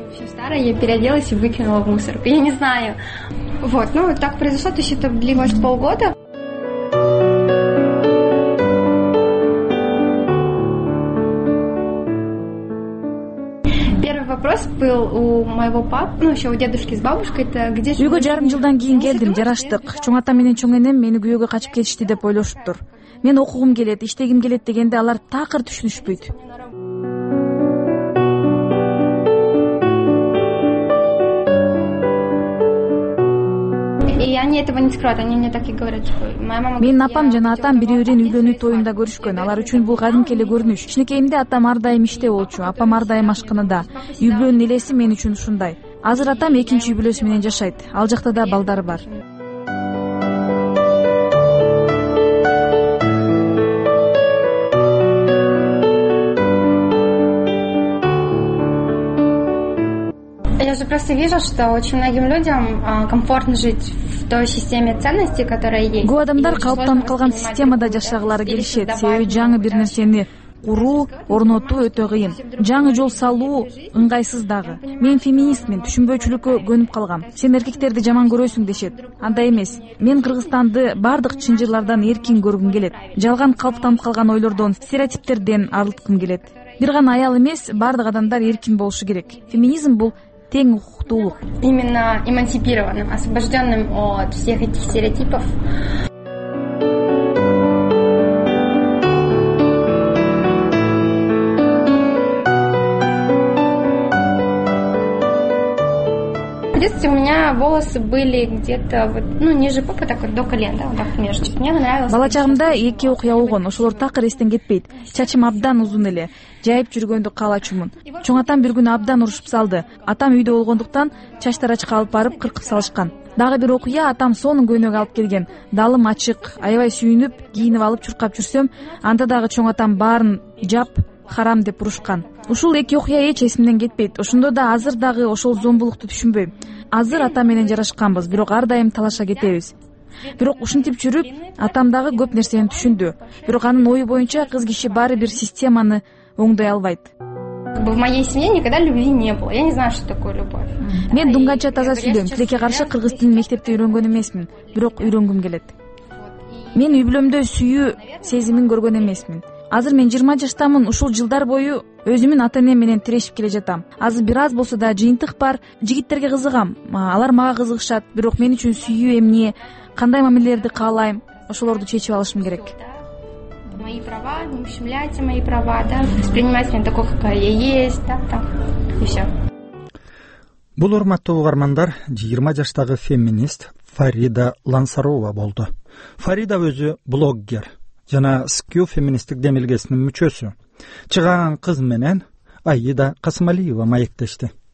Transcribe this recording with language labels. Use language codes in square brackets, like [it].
[ru] Старая, я переоделась и выкинула в мусорку. Я не знаю. Вот, ну так произошло, то есть это длилось полгода. Первый вопрос был у моего папы, ну еще у дедушки с бабушкой, это где же... [ky] Үйгө жарым жылдан кийин келдим, жараштык. Чоң атам менен чоң энем мени күйөөгө качып кетишти деп ойлошуптур. Мен окугум келет, иштегим келет дегенде алар такыр түшүнүшпөйт. [ru] И они этого не скроют, они мне так и говорят, что моя мама... [ky] Мен апам жана атам бири-бирин үйлөнүү тоюнда көрүшкөн, алар үчүн бул кадимки эле көрүнүш. Кичинекейимде атам ар дайым иште болчу, апам ар дайым ашканада. Үйлөнүүнүн элеси мен үчүн ушундай. Азыр атам экинчи үй бүлөсү менен жашайт, ал жакта да балдар бар. [ru] Просто вижу, что очень многим людям комфортно жить в той системе ценностей, которая есть. [ky] Гу адамдар калыптанып калган системада жашагылары келишет. Себеби жаңы бир нерсени куруу, орнотуу өтө кыйын. Жаңы жол салуу ыңгайсыз дагы. Мен феминистмин, түшүнбөйчүлүккө көнүп калгам. Сен эркектерди жаман көрөсүң дешет. Андай эмес. Мен Кыргызстанды бардык чынжырлардан эркин көргүм келет. Жалган калыптанып калган ойлордон, стереотиптерден арылткым келет. Бир гана аял эмес, бардык адамдар эркин болушу керек. Феминизм бул тең укуктуулук. [ru] Именно эмансипированным, освобожденным от всех этих стереотипов. В детстве у меня волосы были где-то вот, ну, ниже попы, так вот до колен, да, вот так немножечко. Мне нравилось. [ky] Бала чагымда эки окуя болгон, ошолор такыр эстен кетпейт. Чачым абдан узун эле. Жайып жүргөндү каалачумун. Чоң атам бир күнү абдан урушуп салды. Атам үйдө болгондуктан чач тарачка алып барып кыркып салышкан. Дагы бир окуя, атам сонун көйнөк алып келген. Далым ачык, аябай сүйүнүп, кийинип алып чуркап жүрсөм, анда дагы чоң атам баарын жап, харам деп урушкан. Ушул эки окуя эч эсимден кетпейт. Ошондо да азыр дагы ошол зомбулукту түшүнбөйм. Азыр атам менен жарашканбыз, бирок ар дайым талаша кетебиз. Бирок ушинтип жүрүп, атам дагы көп нерсени түшүндү. Бирок анын ою боюнча кыз киши баары бир системаны оңдой албайт. [ru] В моей семье никогда любви не было. Я не знаю, что такое любовь. [ky] Мен дунганча таза сүйлөм. Тилекке каршы кыргыз тилин мектепте үйрөнгөн эмесмин, бирок үйрөнгүм келет. Мен үй бүлөмдө сүйүү сезимин көргөн эмесмин. Азыр мен 20 жаштамын. Ушул жылдар бою өзүмүн ата-энем менен тирешип келе жатам. Азыр бир аз болсо да жыйынтык бар. Жигиттерге кызыгам. Алар мага кызыгышат, бирок мен үчүн сүйүү эмне? Кандай мамилелерди каалайм? Ошолорду чечип алышым керек. [ru] Мои права, не ущемляйте мои права, да, воспринимайте меня такой, какая я есть, да, там, и все. [ky] Бул урматтуу угармандар, 20 жаштагы феминист Фарида Лансарова болду. Фарида өзү блоггер жана Скью феминисттик демилгесинин мүчөсү. Чыгаган кыз менен Аида Касымалиева маектешти.